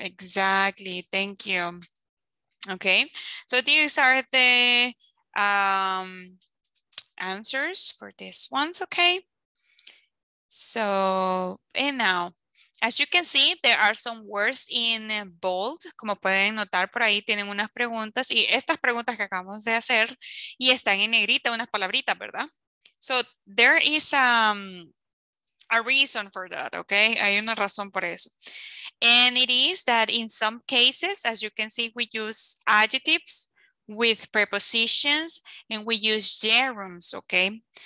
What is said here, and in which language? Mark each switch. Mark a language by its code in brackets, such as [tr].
[en] Exactly. Thank you. Okay. So these are the answers for this ones. Okay. So, and now, as you can see, there are some words in bold. [es] Como pueden notar por ahí, tienen unas preguntas y estas preguntas que acabamos de hacer y están en negrita, unas palabritas, ¿verdad? [en] So there is a reason for that, okay? [es] Hay una razón por eso. [en] And it is that in some cases, as you can see, we use adjectives with prepositions and we use gerunds, okay?